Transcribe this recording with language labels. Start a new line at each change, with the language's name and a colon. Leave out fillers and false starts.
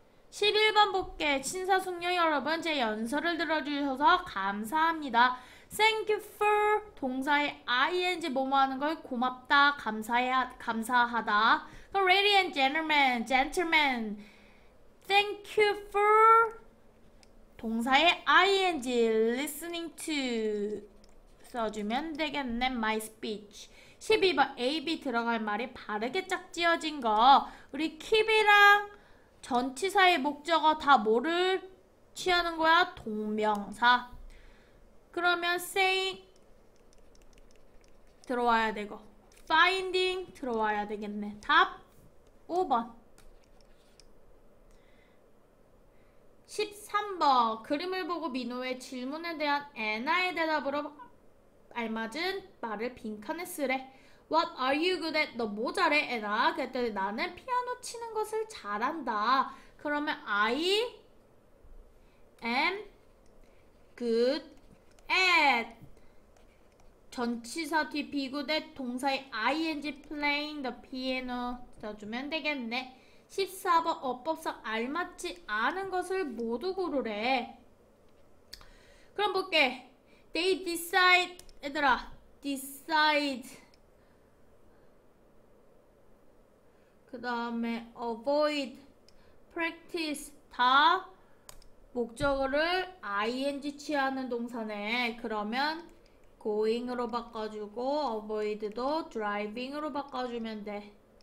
Korean: 11번 볼게. 신사숙녀 여러분, 제 연설을 들어주셔서 감사합니다.
English: Thank you for
Korean: 동사의 ing 뭐뭐하는 걸 고맙다, 감사하다.
English: Ladies and gentlemen, thank you for
Korean: 동사의
English: ing listening to
Korean: 써주면 되겠네,
English: my speech.
Korean: 12번, AB 들어갈 말이 바르게 짝지어진 거. 우리 keep이랑 전치사의 목적어 다 뭐를 취하는 거야? 동명사. 그러면 saying 들어와야 되고 finding 들어와야 되겠네. 답 5번. 13번, 그림을 보고 민호의 질문에 대한 애나의 대답으로 알맞은 말을 빈칸에 쓰래.
English: What are you good at?
Korean: 너 뭐 잘해, 애나? 그랬더니 나는 피아노 치는 것을 잘한다. 그러면
English: I am good at.
Korean: 전치사 뒤
English: be good at
Korean: 동사의
English: ing playing the piano
Korean: 써주면 되겠네. 14번, 어법상 알맞지 않은 것을 모두 고르래. 그럼 볼게.
English: They decide,
Korean: 얘들아,
English: decide.
Korean: 그 다음에 avoid, practice 다 목적어를 ing 취하는 동사네. 그러면 going으로 바꿔주고 avoid도 driving으로 바꿔주면 돼.